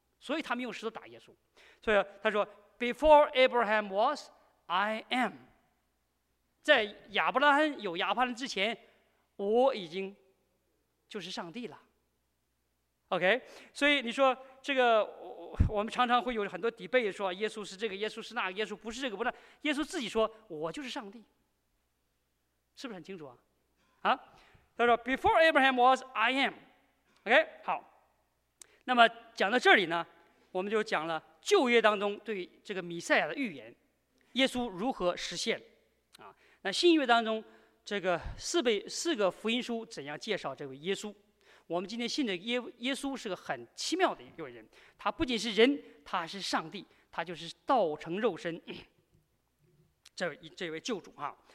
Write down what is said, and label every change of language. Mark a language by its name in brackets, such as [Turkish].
[Chinese] 所以他们用石头打耶稣，所以他说 [English] Before Abraham was I am， [Chinese] 在亚伯拉罕有亚伯拉罕之前，我已经就是上帝了。 OK， 所以你说这个我们常常会有很多debate，说耶稣是这个，耶稣是那个，耶稣不是这个不是那，耶稣自己说我就是上帝，是不是很清楚啊？啊，他说 [English] Before Abraham was I am。 [Chinese] OK， 好，那么讲到这里呢，我们就讲了旧约当中对这个弥赛亚的预言，耶稣如何实现啊？那新约当中这个四个福音书怎样介绍这位耶稣？我们今天信的耶稣是个很奇妙的一个人，他不仅是人，他是上帝，他就是道成肉身，这位救主啊。